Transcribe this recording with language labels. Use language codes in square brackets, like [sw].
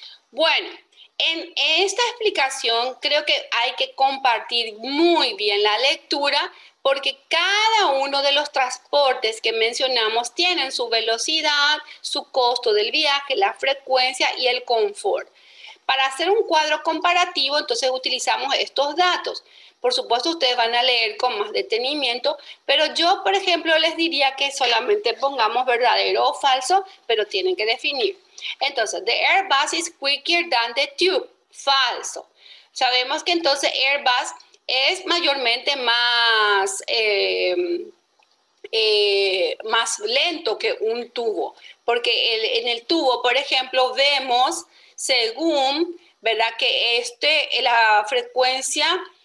[es] Bueno, en esta explicación creo que hay que compartir muy bien la lectura porque cada uno de los transportes que mencionamos tienen su velocidad, su costo del viaje, la frecuencia y el confort. Para hacer un cuadro comparativo, entonces utilizamos estos datos. Por supuesto, ustedes van a leer con más detenimiento, pero yo, por ejemplo, les diría que solamente pongamos verdadero o falso, pero tienen que definir. Entonces, [en] the Airbus is quicker than the tube. [es] Falso. Sabemos que entonces Airbus es mayormente más lento que un tubo, porque en el tubo, por ejemplo, vemos según, ¿verdad?, que la frecuencia.